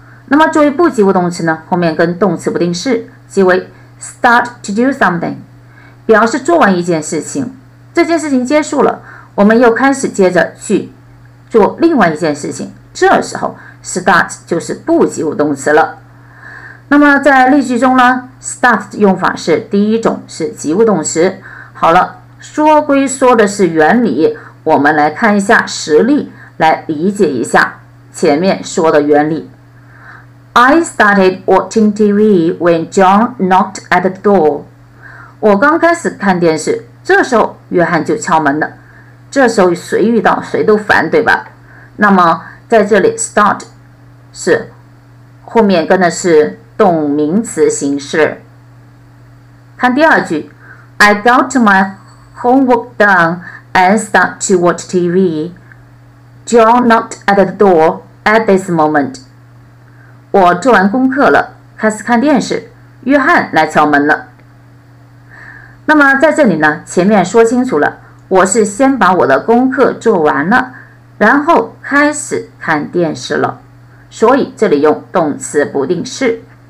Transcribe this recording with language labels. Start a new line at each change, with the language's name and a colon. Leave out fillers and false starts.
Chinese: 那么作为不及物动词呢，后面跟动词不定式，即为
English: start to do something，
Chinese: 表示做完一件事情，这件事情结束了，我们又开始接着去做另外一件事情，这时候 start 就是不及物动词了。那么在例句中呢， stuffed 用法是第一种，是及物动词。好了，说归说的是原理，我们来看一下实例，来理解一下前面说的原理。
English: I started watching TV when John knocked at the door.
Chinese: 我刚开始看电视，这时候约翰就敲门了。这时候谁遇到谁都烦，对吧？那么在这里 start 是后面跟的是动名词形式。看第二句，
English: I got my homework done and start to watch TV. John knocked at the door at this moment.
Chinese: 我做完功课了，开始看电视，约翰来敲门了。那么在这里呢，前面说清楚了，我是先把我的功课做完了，然后开始看电视了，所以这里用动词不定式。